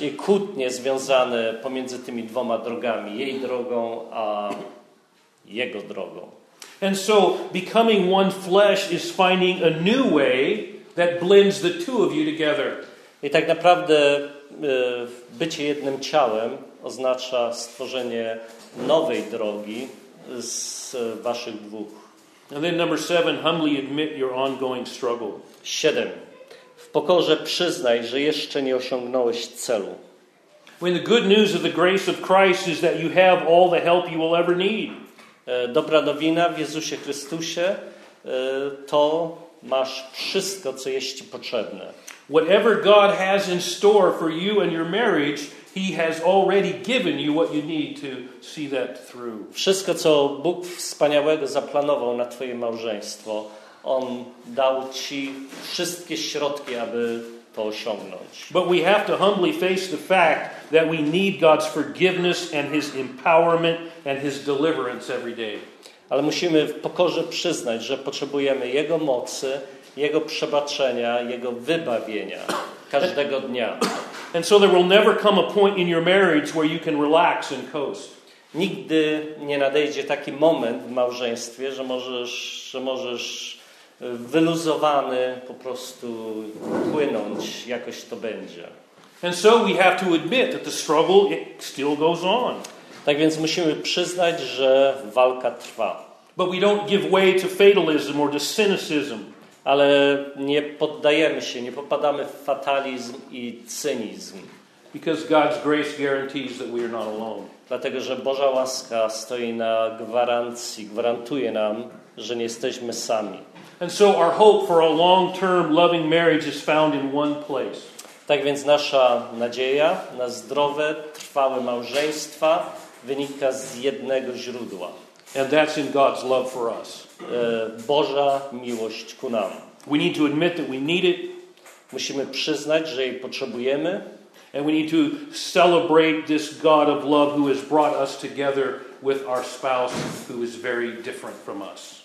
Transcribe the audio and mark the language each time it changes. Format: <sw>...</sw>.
<pl>I kłótnie związane pomiędzy tymi dwoma drogami. Jej drogą, a jego drogą.</pl> <en>And so, becoming one flesh is finding a new way that blends the two of you together.</en> <pl>I tak naprawdę bycie jednym ciałem oznacza stworzenie nowej drogi z waszych dwóch.</pl> <en>And then number seven, humbly admit your ongoing struggle.</en> <pl>Siedem. W pokorze przyznaj, że jeszcze nie osiągnąłeś celu.</pl> <en>When the good news of the grace of Christ is that you have all the help you will ever need.</en> <pl>Dobra nowina w Jezusie Chrystusie, to masz wszystko, co jest ci potrzebne.</pl> <en>Whatever God has in store for you and your marriage, He has already given you what you need to see that through.</en> <pl>Wszystko, co Bóg wspaniałego zaplanował na twoje małżeństwo, On dał ci wszystkie środki, aby to osiągnąć.</pl> <en>But we have to humbly face the fact that we need God's forgiveness and His empowerment and His deliverance every day.</en> <pl>Ale musimy w pokorze przyznać, że potrzebujemy Jego mocy, Jego przebaczenia, Jego wybawienia każdego dnia.</pl> <en>And so there will never come a point in your marriage where you can relax and coast.</en> <pl>Nigdy nie nadejdzie taki moment w małżeństwie, że możesz wyluzowany po prostu płynąć, jakoś to będzie.</pl> <en>And so we have to admit that the struggle still goes on.</en> <pl>Tak więc musimy przyznać, że walka trwa.</pl> <en>But we don't give way to fatalism or to cynicism.</en> <pl>Ale nie poddajemy się, nie popadamy w fatalizm i cynizm.</pl> <en>Because God's grace guarantees that we are not alone.</en> <pl>Dlatego, że Boża łaska stoi na gwarancji, gwarantuje nam, że nie jesteśmy sami.</pl> <en>And so our hope for a long-term loving marriage is found in one place.</en> <pl>Tak więc nasza nadzieja na zdrowe, trwałe małżeństwa wynika z jednego źródła.</pl> <en>And that's in God's love for us.</en> <pl>Boża miłość ku nam.</pl> <en>We need to admit that we need it.</en> <pl>Musimy przyznać, że jej potrzebujemy.</pl> <en>And we need to celebrate this God of love who has brought us together with our spouse who is very different from us.</en>